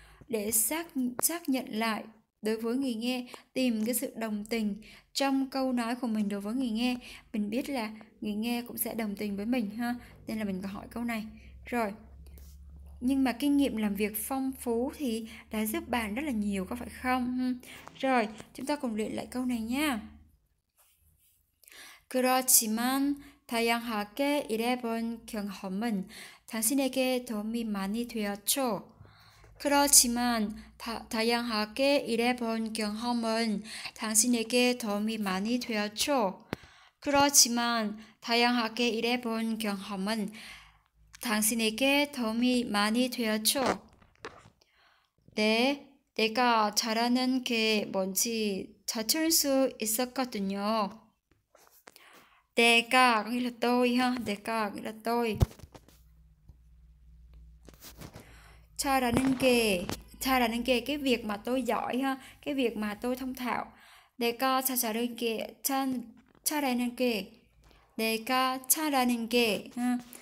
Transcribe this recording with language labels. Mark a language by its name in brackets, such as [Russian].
[Vietnamese] Để xác nhận lại đối với người nghe, tìm cái sự đồng tình trong câu nói của mình đối với người nghe. Mình biết là người nghe cũng sẽ đồng tình với mình ha. Nên là mình có hỏi câu này. Rồi. Nhưng mà kinh nghiệm làm việc phong phú thì đã giúp bạn rất là nhiều có phải không? Rồi, chúng ta cùng luyện lại câu này nha. [Korean] 그렇지만 다양하게 일해본 경험은 당신에게 도움이 많이 되었죠. 그렇지만 다양하게 일해본 경험은 당신에게 도움이 많이 되었죠. 그렇지만 다양하게 일해본 경험은 당신에게 도움이 많이 되었죠? 네, 내가 잘하는 게 뭔지 찾을 수 있었거든요. 내가, 그러니까 또이요. 내가, 그러니까 또이. 잘하는 게, [Vietnamese] cái việc mà tôi giỏi ha, cái việc mà tôi thông thạo. [Korean] 내가 잘하는 게, 잘하는 게, 내가 잘하는 게, ha.